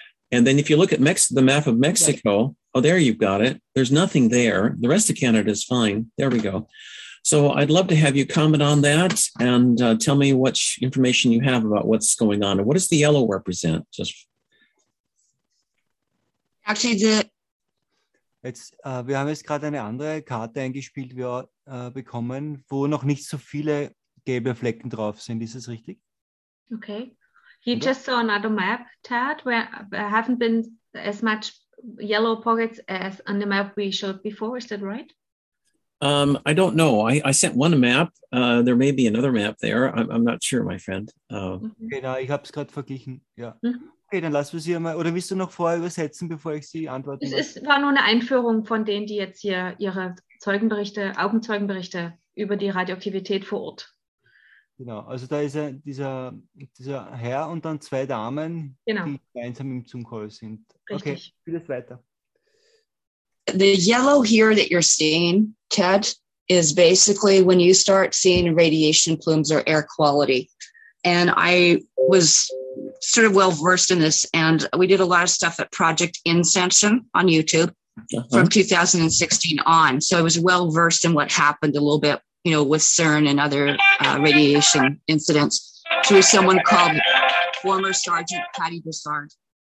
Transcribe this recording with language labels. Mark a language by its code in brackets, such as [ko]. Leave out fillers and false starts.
[en] And then if you look at the map of Mexico, oh, there you've got it. There's nothing there. The rest of Canada is fine. There we go. So I'd love to have you comment on that and tell me what information you have about what's going on. And what does the yellow represent? Just [de] Jetzt, wir haben jetzt gerade eine andere Karte eingespielt bekommen, wo noch nicht so viele gelbe Flecken drauf sind. Ist das richtig? [en] Okay. He just saw another map, Ted, where there haven't been as much yellow pockets as on the map we showed before. Is that right? I don't know. I sent one map. There may be another map there. I'm not sure, my friend. [de] Genau, ich habe es gerade verglichen. Ja. Okay, dann lassen wir sie einmal, oder willst du noch vorher übersetzen, bevor ich sie antworte? Es war nur eine Einführung von denen, die jetzt hier ihre Zeugenberichte, Augenzeugenberichte über die Radioaktivität vor Ort. Genau, also da ist dieser Herr und dann zwei Damen, genau, die gemeinsam im Zoom-Call sind. Richtig. Okay, vieles weiter. [en] The yellow here that you're seeing, Ted, is basically when you start seeing radiation plumes or air quality. And I was sort of well versed in this, and we did a lot of stuff at Project Incension on YouTube from 2016 on. So I was well versed in what happened a little bit, you know, with CERN and other radiation incidents through someone called former Sergeant Patty Broussard.